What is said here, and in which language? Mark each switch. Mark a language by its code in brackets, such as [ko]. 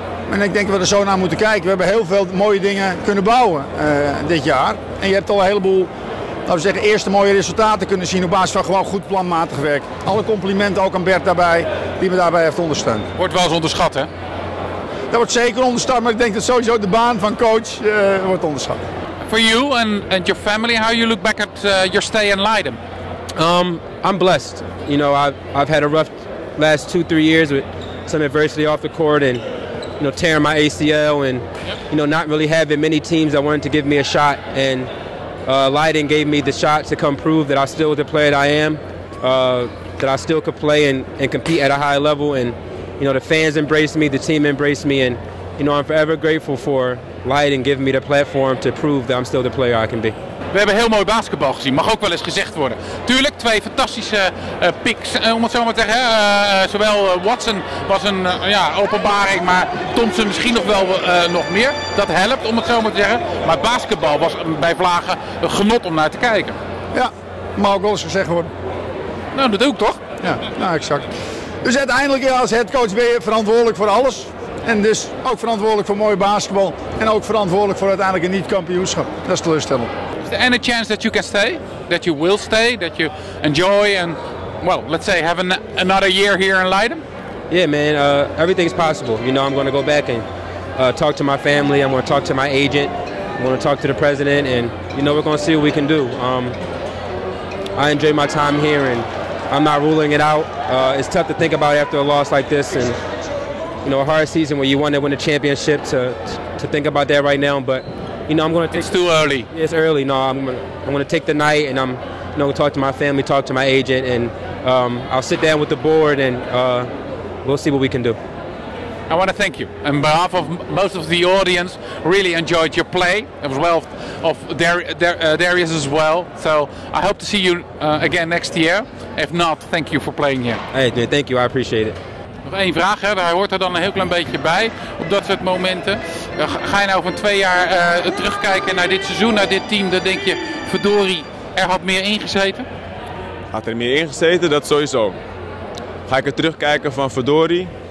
[nl] En ik denk dat we er zo naar moeten kijken. We hebben heel veel mooie dingen kunnen bouwen dit jaar. En je hebt al een heleboel, laten we zeggen, eerste mooie resultaten kunnen zien op basis van gewoon goed planmatig werk. Alle complimenten ook aan Bert daarbij, die me daarbij heeft ondersteund. Wordt wel eens onderschat, hè? Dat wordt zeker onderschat, maar ik denk dat sowieso de baan van coach wordt onderschat. [en] For you and your family, how you look back at your stay in Leiden? I'm blessed. You know, I've had a rough last 2-3 years with some adversity off the court and, you know, tearing my ACL and, you know, not really having many teams that wanted to give me a shot. And Leiden gave me the shot to come prove that I still was the player that I am, that I still could play and compete at a high level. And, you know, the fans embraced me, the team embraced me, and, you know, I'm forever grateful for Light and giving me the platform to prove that I'm still the player I can be. [nl] We hebben heel mooi basketbal gezien, mag ook wel eens gezegd worden. Tuurlijk, twee fantastische picks, om het zo maar te zeggen. Zowel Watson was een openbaring, maar Thompson misschien nog wel nog meer. Dat helpt, om het zo maar te zeggen. Maar basketbal was bij vlagen een genot om naar te kijken. Ja, mag ook wel eens gezegd worden. Nou, dat doe ik toch? Ja, nou, exact. Dus uiteindelijk, ja, als headcoach ben je verantwoordelijk voor alles. En dus ook verantwoordelijk voor mooi basketbal. En ook verantwoordelijk voor uiteindelijk een niet-kampioenschap. Dat is teleurstellend. [en] Is there any chance that you can stay, that you will stay, that you enjoy and, well, let's say, have another year here in Leiden? Yeah, man, everything's possible. You know, I'm going to go back and talk to my family. I'm going to talk to my agent. I'm going to talk to the president and, you know, we're going to see what we can do. I enjoy my time here and I'm not ruling it out. It's tough to think about after a loss like this and, you know, a hard season where you want to win a championship to think about that right now, but... You know, I'm going to take it's too early. It's early. No, I'm going to take the night and I'm, you know, talk to my family, talk to my agent, and I'll sit down with the board and we'll see what we can do. I want to thank you. On behalf of most of the audience, really enjoyed your play as well of Darius as well. So I hope to see you again next year. If not, thank you for playing here. Hey, dude, thank you. I appreciate it. [nl] Nog één vraag, hè? Daar hoort er dan een heel klein beetje bij op dat soort momenten. Ga je nou van twee jaar terugkijken naar dit seizoen, naar dit team, dan denk je, verdorie, er had meer ingezeten? Had er meer ingezeten, dat sowieso. Ga ik er terugkijken van verdorie?